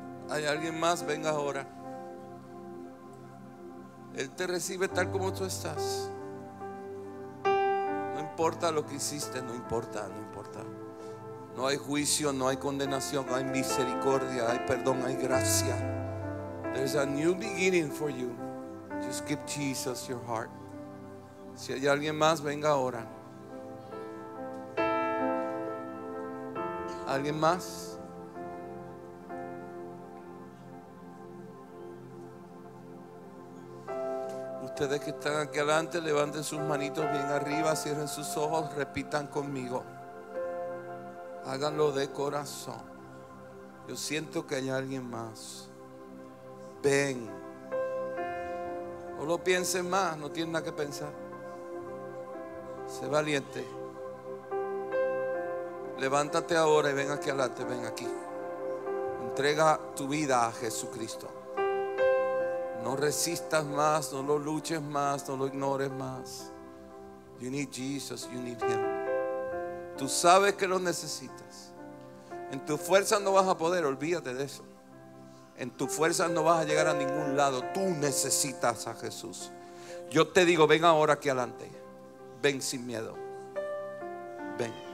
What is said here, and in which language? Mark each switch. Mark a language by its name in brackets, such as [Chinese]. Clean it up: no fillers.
[Spanish] Hay alguien más, venga ahora. Él te recibe tal como tú estás. No importa lo que hiciste, no importa, no importa. No hay juicio, no hay condenación, hay misericordia, hay perdón, hay gracia. [English] There's a new beginning for you. Just give Jesus your heart. [Spanish] Si hay alguien más, venga ahora. ¿Alguien más? Ustedes que están aquí adelante, levanten sus manitos bien arriba, cierren sus ojos, repitan conmigo. Háganlo de corazón. Yo siento que hay alguien más. Ven. No lo piensen más, no tienen nada que pensar. Sé valiente. Levántate ahora y ven aquí adelante, ven aquí. Entrega tu vida a Jesucristo. No resistas más, no lo luches más, no lo ignores más. [English] You need Jesus, you need Him. [Spanish] Tú sabes que lo necesitas. En tu fuerza no vas a poder, olvídate de eso. En tu fuerza no vas a llegar a ningún lado. Tú necesitas a Jesús. Yo te digo, ven ahora aquí adelante. Ven sin miedo. Ven.